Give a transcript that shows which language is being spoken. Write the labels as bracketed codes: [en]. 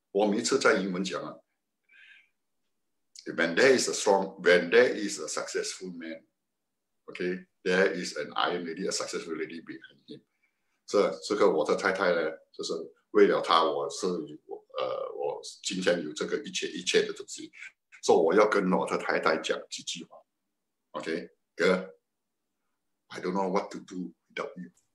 [zh] 我每次在英文讲啊 [en] ，When there is a strong, when there is a successful man, okay, there is an iron lady, a successful lady behind him. [zh] 这个我的太太呢，就是为了他，我是我今天有这个一切的东西，所以我要跟我的太太讲几句话。 [en] Okay, girl, I don't know what to do without you.